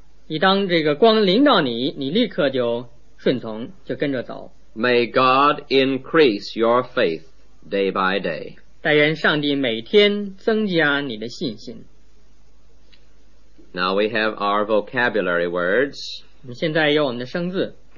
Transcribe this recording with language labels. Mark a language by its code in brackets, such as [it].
[zh] 你当这个光临到你，你立刻就顺从，就跟着走。 [en] May God increase your faith day by day. [zh] 但愿上帝每天增加你的信心。 [en] Now we have our vocabulary words. [zh] 我们现在有我们的生字。